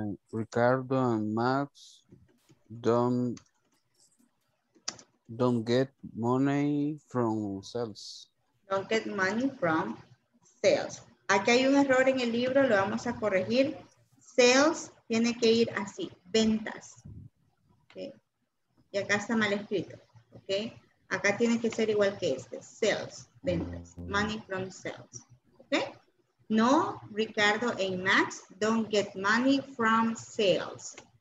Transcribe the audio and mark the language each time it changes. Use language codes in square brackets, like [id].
[en] Ricardo and Max don't get money from sales. Don't get money from sales. [es] Aquí hay un error en el libro, lo vamos a corregir. Sales tiene que ir así, ventas. Okay. Y acá está mal escrito. Okay. Acá tiene que ser igual que este, sales, ventas, [en] money from sales. [es] Okay? [en] No, Ricardo and Max don't get money from sales.